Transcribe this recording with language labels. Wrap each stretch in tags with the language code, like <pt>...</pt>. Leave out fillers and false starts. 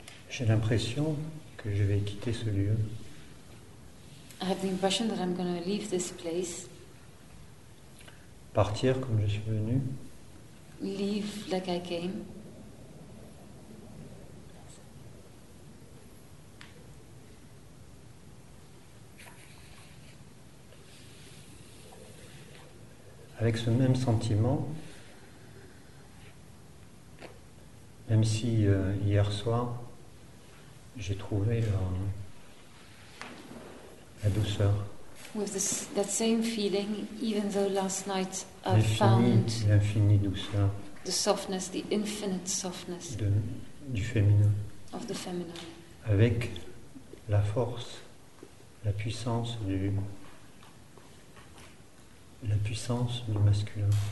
<fr>J'ai l'impression que je vais quitter ce lieu.</fr> <en>I have the impression that I'm going to leave this place.</en> <fr>Partir comme je suis venu.</fr> <en>Leave like I came.</en> <fr>Avec ce même sentiment, même si hier soir, j'ai trouvé la douceur.</fr> <en>With this, that same feeling, even though last night I found</en> <fr>l'infinie douceur,</fr> <en>the softness, the infinite softness</en> <fr>du féminin,</fr> <en>of the feminine,</en> <fr>avec la force, la puissance du masculin.</fr>